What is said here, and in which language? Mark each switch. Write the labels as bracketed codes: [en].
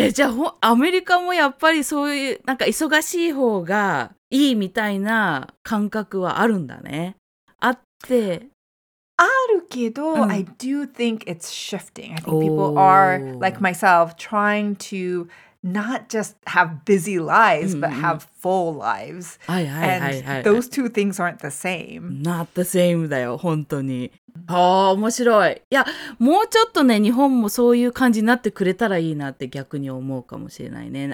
[ja] じゃあ、アメリカもやっぱりそういうなんか忙しい方がいいみたいな感覚はあるんだね。あって。あるけど、うん、 [en] I do think it's shifting. I think people are, like myself, trying to... not just have busy lives,、mm-hmm. but have full lives. And those two things aren't the same. Not the same [ja] だよ、本当に。ああ、面白い。いや、もうちょっとね、日本もそういう感じになってくれたらいいなって逆に思うかもしれないね。